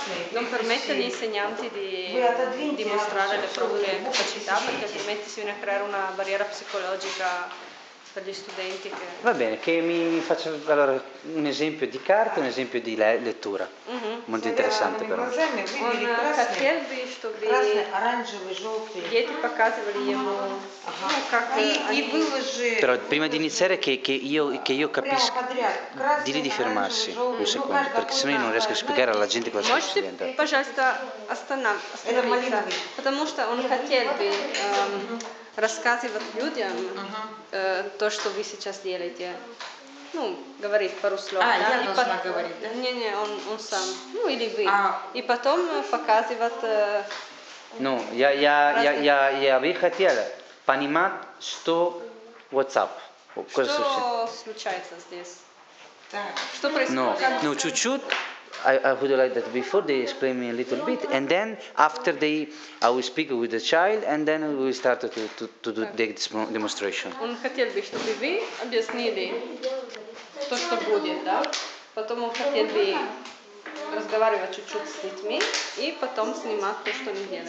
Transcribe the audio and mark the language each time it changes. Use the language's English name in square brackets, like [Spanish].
[Italian] Non permette agli insegnanti di dimostrare le proprie capacità perché altrimenti si viene a creare una barriera psicologica per gli studenti. Che... Va bene, che mi faccia allora un esempio di carta, un esempio di lettura. Molto interessante però. [Russian] Он хотел бы, чтобы красный, дети показывали ему, как выложи. [Italian] Però prima di iniziare che io capisco, dili di fermarsi un secondo, perché sennò io non riesco a spiegare alla gente cosa sta succedendo. [Russian] Пожалуйста, остановиться. Потому что он хотел бы рассказывать людям то, что вы сейчас делаете. Ну, говорит пару слов. А, да? Я должна говорить, да? Не-не, он сам. Ну, или вы. А. И потом показывает... Ну, я бы хотел понимать, что... [English] What's up? [Russian] Что случается здесь? Так. Что происходит? Ну, чуть-чуть. [English] I would like that before they explain me a little bit. And then, after they... I will speak with the child, and then we will start to do the demonstration. [Russian] Он хотел бы, чтобы вы объяснили... То, что будет, да? Потом он хотел бы разговаривать чуть-чуть с детьми и потом снимать то, что они делают.